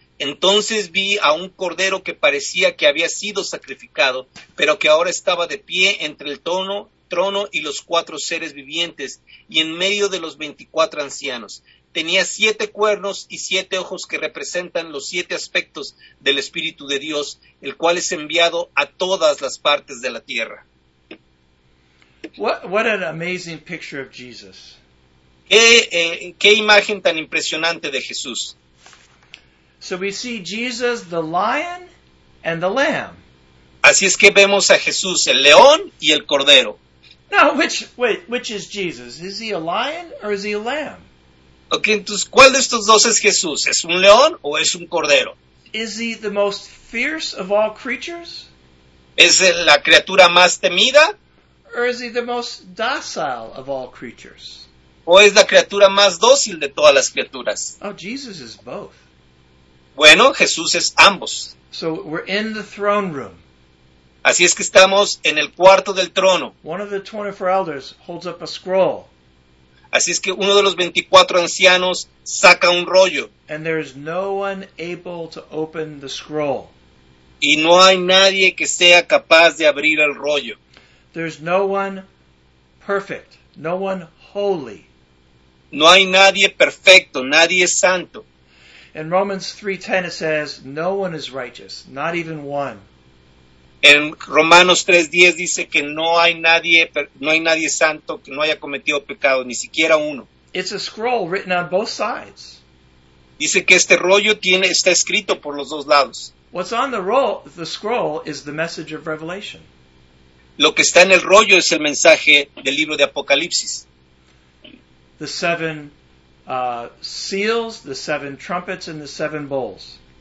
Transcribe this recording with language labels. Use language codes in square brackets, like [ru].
[es] Entonces vi a un cordero que parecía que había sido sacrificado, pero que ahora estaba de pie entre el trono y los cuatro seres vivientes, y en medio de los 24 ancianos. Tenía siete cuernos y siete ojos que representan los siete aspectos del Espíritu de Dios, el cual es enviado a todas las partes de la tierra. [en] What an amazing picture of Jesus. [es] ¿Qué imagen tan impresionante de Jesús? [en] So we see Jesus the lion and the lamb. [es] Así es que vemos a Jesús, el león y el cordero. [en] Now, which is Jesus? Is he a lion or is he a lamb? [es] Okay, entonces, ¿cuál de estos dos es Jesús? ¿Es un león o es un cordero? [en] Is he the most fierce of all creatures? [es] ¿Es la criatura más temida? [en] Or is he the most docile of all creatures? [es] ¿O es la criatura más dócil de todas las criaturas? [en] Oh, Jesus is both. [es] Bueno, Jesús es ambos. [en] So we're in the throne room. [es] Así es que estamos en el cuarto del trono. [en] One of the 24 elders holds up a scroll. [es] Así es que uno de los 24 ancianos saca un rollo. [en] And there is no one able to open the scroll. [es] Y no hay nadie que sea capaz de abrir el rollo. [en] There's no one perfect, no one holy. [es] No hay nadie perfecto, nadie santo. [en] In Romans 3:10 it says, no one is righteous, not even one. [es] En Romanos 3:10 dice que no hay nadie santo que no haya cometido pecado, ni siquiera uno. [en] It's a scroll written on both sides. [es] Dice que este rollo está escrito por los dos lados. [en] What's on the scroll is the message of Revelation. [es] Lo que está en el rollo es el mensaje del libro de Apocalipsis. [en] The seven seals, the seven trumpets, and the seven bowls.